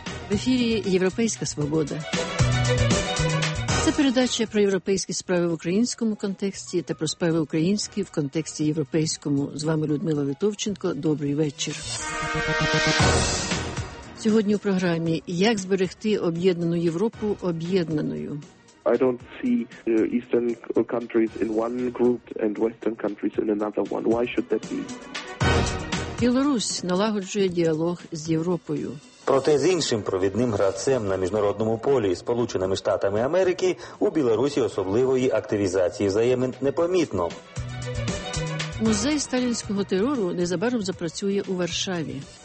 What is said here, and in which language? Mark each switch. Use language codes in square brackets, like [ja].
[uk] В ефірі «Європейська свобода». Це передача про європейські справи в українському контексті та про справи українські в контексті європейському. З вами Людмила Литовченко. Добрий вечір. Сьогодні у програмі «Як зберегти об'єднану Європу об'єднаною». [en] I don't see eastern countries in one group and western countries in another one. Why should that be? [uk] Білорусь налагоджує діалог з Європою. Проте з іншим провідним гравцем на міжнародному полі – Сполученими Штатами Америки – у Білорусі особливої активізації взаємин непомітно. Музей сталінського терору незабаром запрацює у Варшаві.